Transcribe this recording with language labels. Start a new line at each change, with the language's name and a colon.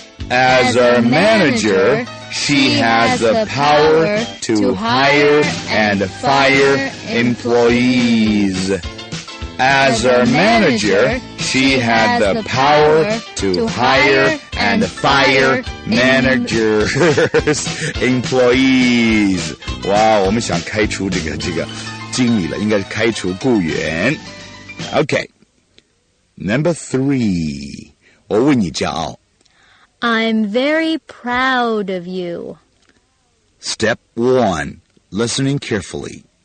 English: As a manager, she has the power to hire and fire employees. As a manager, she has the power to hire and fire managers, employees.
Chinese: 哇、wow, 我们想开除这个经理了，应该是开除雇员。 OK,
English: number three,
Chinese: 我为你骄傲。
English: I'm very proud of you. Step one, listening carefully.